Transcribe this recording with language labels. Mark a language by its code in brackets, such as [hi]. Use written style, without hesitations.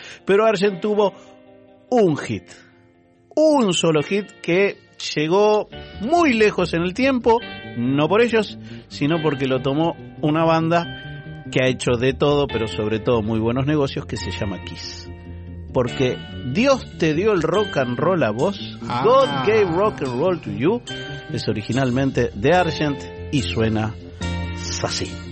[es] Pero Argent tuvo un hit. Un solo hit que llegó muy lejos en el tiempo. No por ellos, sino porque lo tomó una banda que ha hecho de todo, pero sobre todo muy buenos negocios, que se llama Kiss. Porque Dios te dio el rock and roll a vos. [en] God gave rock and roll to you. [es] Es originalmente de Argent y suena así.